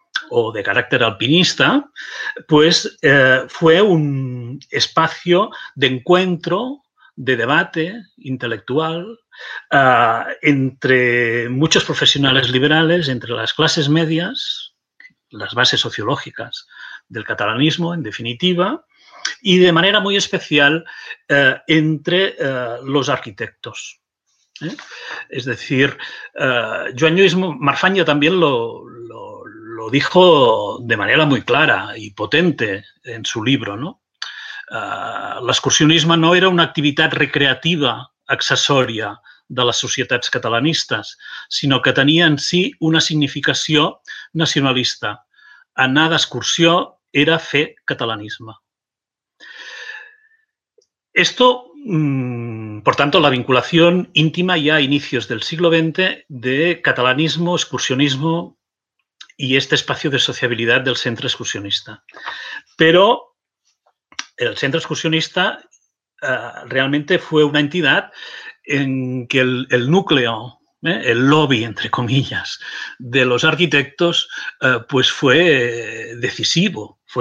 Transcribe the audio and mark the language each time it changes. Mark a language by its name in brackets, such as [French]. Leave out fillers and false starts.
[Spanish] o de carácter alpinista, pues fue un espacio de encuentro, de debate intelectual entre muchos profesionales liberales, entre las clases medias, las bases sociológicas del catalanismo, en definitiva, y de manera muy especial entre los arquitectos. Es decir, Joan Lluís Marfanya también lo dijo de manera muy clara y potente en su libro, ¿no? [Catalan] L'excursionisme no era una activitat recreativa accessòria de les societats catalanistes, sinó que tenia en si una significació nacionalista. Anar d'excursió era fer catalanisme. [Spanish] Esto, por tanto, la vinculación íntima ya a inicios del siglo XX de catalanismo, excursionismo y este espacio de sociabilidad del centro excursionista. Pero el centro excursionista realmente fue una entidad en que el núcleo, el lobby, entre comillas, de los arquitectos pues fue decisivo.